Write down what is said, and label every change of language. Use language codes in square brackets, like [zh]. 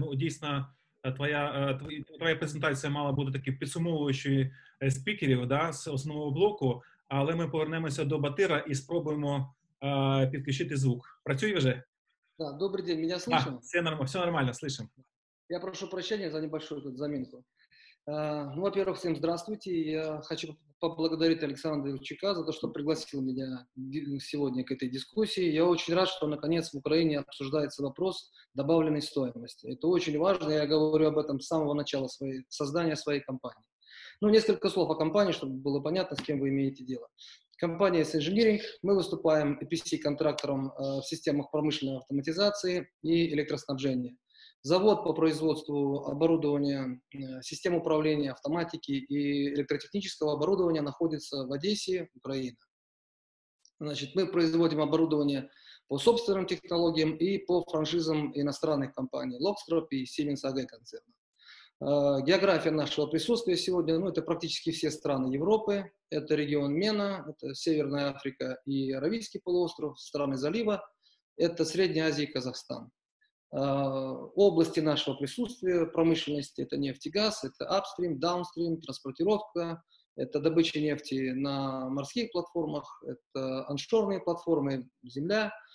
[uk] Ну, дійсно, твоя презентація мала бути таким підсумовуючою спікерів, да, з основного блоку, але ми повернемося до Батира і спробуємо підключити звук. Працює вже? Так, добрий день, мене слышимо? [ru] Все нормально, слышимо. Я прошу прощення за небольшую тут замінку. Ну, во-первых, всем здравствуйте. Я хочу поблагодарить Александра Ильчука за то, что пригласил меня сегодня к этой дискуссии. Я очень рад, что наконец в Украине обсуждается вопрос добавленной стоимости. Это очень важно, я говорю об этом с самого начала создания своей компании. Ну, несколько слов о компании, чтобы было понятно, с кем вы имеете дело. Компания S-Engineering, мы выступаем EPC-контрактором в системах промышленной автоматизации и электроснабжения. завод по производству оборудования, систем управления, автоматики и электротехнического оборудования находится в Одессе, Украина. Значит, мы производим оборудование по собственным технологиям и по франшизам иностранных компаний Lockstrop и Siemens AG концерна. География нашего присутствия сегодня, ну, это практически все страны Европы, это регион Мена, это Северная Африка и Аравийский полуостров, страны залива, это Средняя Азия и Казахстан. Области нашего присутствия промышленности – это нефть и газ, это апстрим, даунстрим, транспортировка, это добыча нефти на морских платформах, это оншорные платформы, земля.